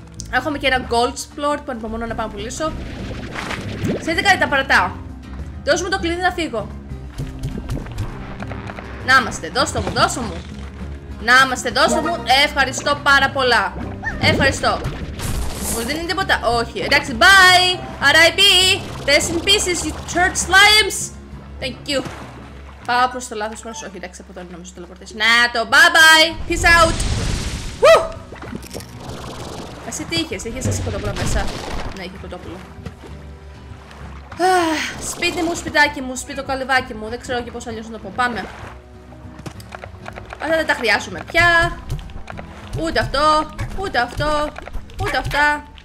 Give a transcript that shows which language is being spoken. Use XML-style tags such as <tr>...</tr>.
<el>Έχουμε και ένα gold plot που ανυπομονώ να πάω να πουλήσω. Ξέρετε κάτι, τα παρατάω. Δώσ' μου το κλειδί να φύγω. Να'μαστε, δώσ' το μου. Να'μαστε, δώσ' μου, ευχαριστώ πάρα πολλά. Ευχαριστώ. Μου δίνει τίποτα, όχι, εντάξει, bye.</el> <en>R.I.P. Rest in pieces, you church slimes. Thank you.</en> <el>Πάω προς το λάθος μέρος, όχι, εντάξει, από τώρα νομίζω το λαπορτήσω. Να το,</el> <en>bye bye, peace out. Woo!</en> <el>Εσύ τι είχες, είχες εσύ κοτόπουλο μέσα? Ναι, είχε κοτόπουλο. Σπίτι μου, σπιτάκι μου, σπίτο καλυβάκι μου. Δεν ξέρω και πώς αλλιώς να το πω. Πάμε. Αυτά δεν τα χρειάζομαι πια. Ούτε αυτό, ούτε αυτό, ούτε αυτά.</el>